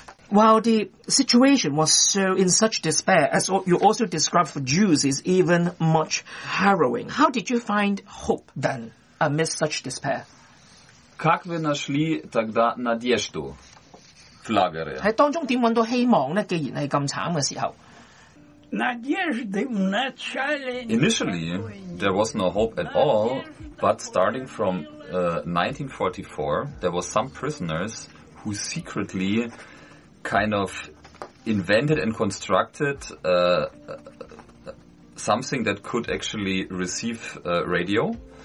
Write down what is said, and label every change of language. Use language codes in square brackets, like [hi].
[en] While the situation was so in such despair, as you also described for Jews, is even much harrowing. How did you find hope then amidst such despair? [ru] Как вы нашли тогда надежду в лагере? [zh] 在当中怎么找到希望呢？既然是这么惨的时候。 [en] Initially, there was no hope at all, but starting from 1944, there were some prisoners who secretly kind of invented and constructed something that could actually receive radio.